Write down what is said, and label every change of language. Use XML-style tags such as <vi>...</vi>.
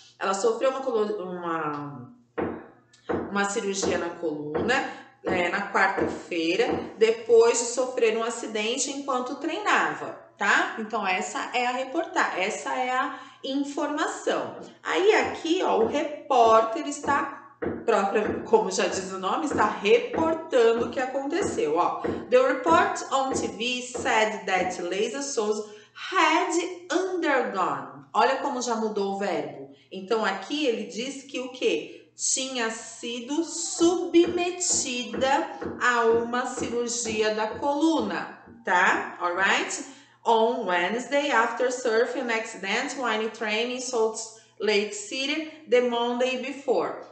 <pt>Ela sofreu uma cirurgia na coluna na quarta-feira, depois de sofrer um acidente enquanto treinava, tá? Então, essa é a reportar, essa é a informação. Aí, aqui, ó, o repórter está, próprio, como já diz o nome, está reportando o que aconteceu, ó.</pt> <en>The report on TV said that Laysa Souza had undergone.</en> <pt>Olha como já mudou o verbo. Então, aqui, ele diz que o quê? Tinha sido submetida a uma cirurgia da coluna, tá?</pt> <en>Alright? On Wednesday, after surfing accident, while training in Salt Lake City, the Monday before.</en>